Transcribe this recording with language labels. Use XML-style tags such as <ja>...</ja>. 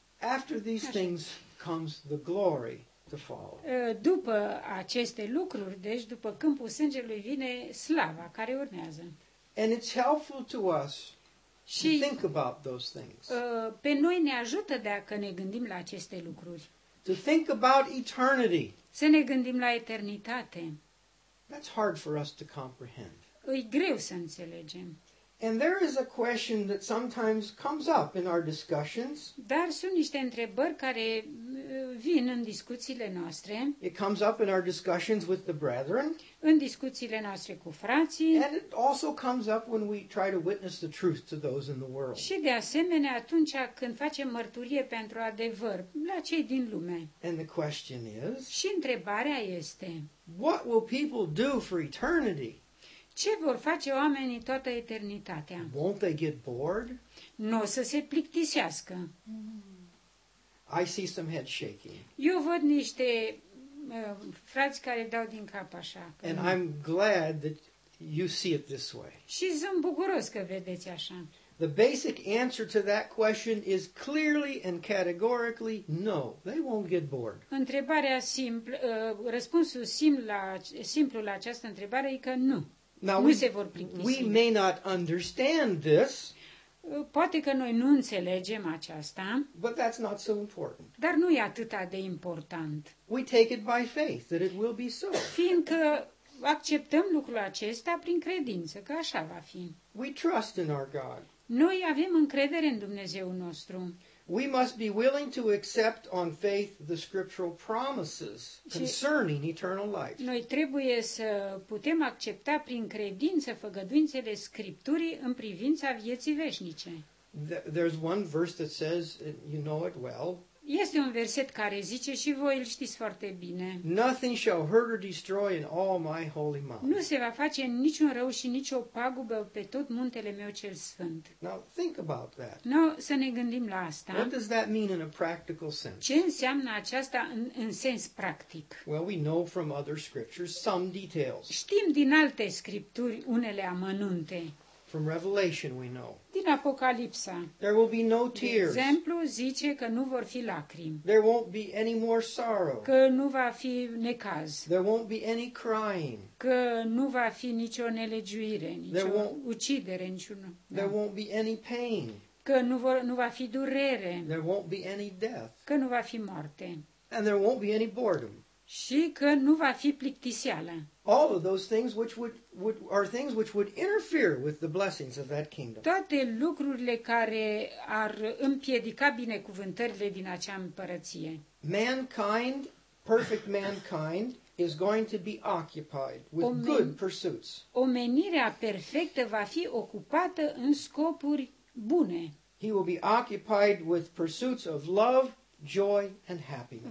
<en>After these things comes the glory to follow.</en> <ro>După aceste lucruri, deci după câmpul sângelui vine slava care urmează.</ro> <en>And it's helpful to us to think about those things.</en> <ro>Pe noi ne ajută dacă ne gândim la aceste lucruri.</ro> <en>To think about eternity.</en> <ro>Să ne gândim la eternitate.</ro> <en>That's hard for us to comprehend.</en> <ro>E greu să înțelegem.</ro> <en>And there is a question that sometimes comes up in our discussions.</en> <ro>Dar sunt niște întrebări care vin în discuțiile noastre.</ro> <en>It comes up in our discussions with the brethren.</en> <ro>În discuțiile noastre cu frații.</ro> <en>And it also comes up when we try to witness the truth to those in the world.</en> <ro>Și de asemenea atunci când facem mărturie pentru adevăr la cei din lume.</ro> <en>And the question is.</en> <ro>Și întrebarea este.</ro> <en>What will people do for eternity?</en> <ro>Ce vor face oamenii toată eternitatea?</ro> <en>Won't they get bored?</en> <ro>N-o să se plictisească.</ro> <en>I see some head shaking.</en> <ro>Eu văd niște frați care dau din cap așa.</ro> <en>And I'm glad that you see it this way.</en> <ro>Și sunt bucuros că vedeți așa.</ro> <en>The basic answer to that question is clearly and categorically no. They won't get bored.</en> <ro>Întrebarea simplă, răspunsul simplu la această întrebare e că nu.</ro> <en>Now, we may not understand this.</en> <ro>Poate că noi nu înțelegem aceasta.</ro> <en>But that's not so important.</en> <ro>Dar nu e atât de important.</ro> <en>We take it by faith that it will be so.</en> <ro>Fiindcă acceptăm lucrul acesta prin credință că așa va fi.</ro> <en>We trust in our God.</en> <ro>Noi avem încredere în Dumnezeu nostru.</ro> <en>We must be willing to accept on faith the scriptural promises concerning eternal life.</en> <ro>Noi trebuie să putem accepta prin credință făgăduințele Scripturii în privința vieții veșnice.</ro> <en>There's one verse that says, you know it well.</en> <ro>Este un verset care zice și voi îl știți foarte bine.</ro> <en>Nothing shall hurt or destroy in all my holy mountain.</en> <ro>Nu se va face niciun rău și nicio pagubă pe tot muntele meu cel sfânt.</ro> <en>Now think about that.</en> <ro>Now, să ne gândim la asta.</ro> <en>What does that mean in a practical sense?</en> <ro>Ce înseamnă aceasta în sens practic?</ro> <en>Well, we know from other scriptures some details.</en> <ro>Știm din alte scripturi unele amănunte.</ro> <en>From Revelation we know.</en> <ro>Din Apocalipsa.</ro> <en>There will be no tears.</en> <ro>De exemplu, zice că nu vor fi lacrimi.</ro> <en>There won't be any more sorrow.</en> <ro>Că nu va fi necaz.</ro> <en>There won't be any crying.</en> <ro>Că nu va fi nicio nelegiuire, nicio ucidere, niciunul.</ro> <en>There won't be any pain.</en> <ro>Că nu va fi durere.</ro> <en>There won't be any death.</en> <ro>Că nu va fi moarte.</ro> <en>And there won't be any boredom.</en> <ro>Și că nu va fi plictiseală.</ro> <en>All of those things which would are things which would interfere with the blessings of that kingdom.</en> <ro>Toate lucrurile care ar împiedica binecuvântările din acea împărăție.</ro> <en>Mankind, perfect mankind, is going to be occupied with good pursuits.</en> <ro>Omenirea perfectă va fi ocupată în scopuri bune.</ro> <en>He will be occupied with pursuits of love, joy and happiness.</en>